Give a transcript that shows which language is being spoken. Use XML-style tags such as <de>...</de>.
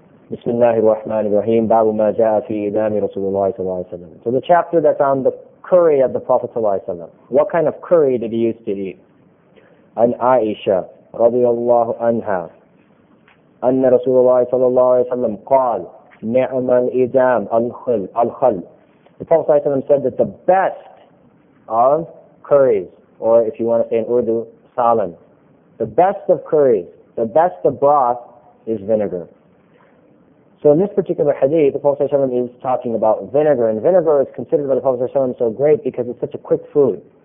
<ar>بسم الله الرحمن الرحيم باب ما جاء في إمام رسول الله صلى الله عليه وسلم.</ar> <en>So the chapter that's on the curry of the Prophet صلى الله عليه وسلم. What kind of curry did he used to eat?</en> <ar>عن عائشة رضي الله عنها أن رسول الله صلى الله عليه وسلم قال نعم الإدام الخل.</ar> <en>The Prophet صلى الله عليه وسلم said that the best of curries, or if you want to say in Urdu, salan, the best of curries, the best of broth is vinegar. So in this particular hadith, the Prophet ﷺ is talking about vinegar, and vinegar is considered by the Prophet ﷺ so great because it's such a quick food.</en>